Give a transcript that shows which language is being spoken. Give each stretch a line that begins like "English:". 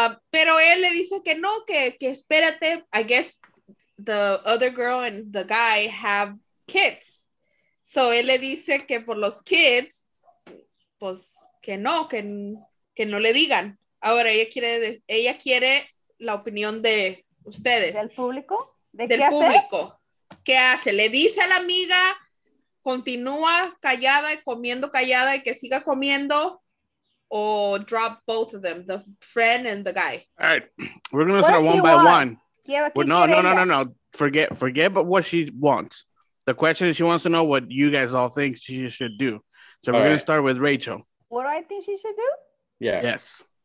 Spanish: pero él le dice que no, que espérate.
English: I guess the other girl and the guy have kids.
Spanish: So él le dice que por los kids, pues... que no le digan. Ahora ella quiere la opinión de ustedes. ¿Del público? ¿Del público? ¿Qué hace? ¿Le dice a la amiga, continúa callada y comiendo callada y que siga comiendo?
English: ¿O drop both of them, the friend and the guy? All right, we're going to start one by one. No. Forget about what she wants. The question is she wants to know what you guys all think she should do. So we're going to start with Rachel. What do I think she should do? Yeah. Yes.